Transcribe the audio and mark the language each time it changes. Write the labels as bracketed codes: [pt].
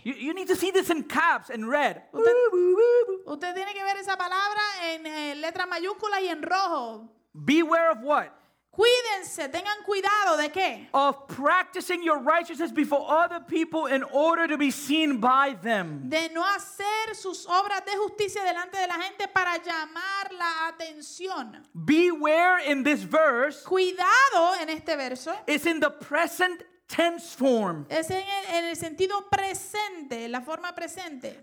[en] You need to see this in caps and red. [es] Usted tiene que ver esa palabra en letras mayúsculas y en rojo. [en] Beware of what? [es] Cuídense, tengan cuidado de qué? [en] Of practicing your righteousness before other people in order to be seen by them. [es] De no hacer sus obras de justicia delante de la gente para llamar la atención. [en] Beware in this verse. [es] Cuidado en este verso. [en] Is in the present tense form. [es] Es en el sentido presente, la forma presente.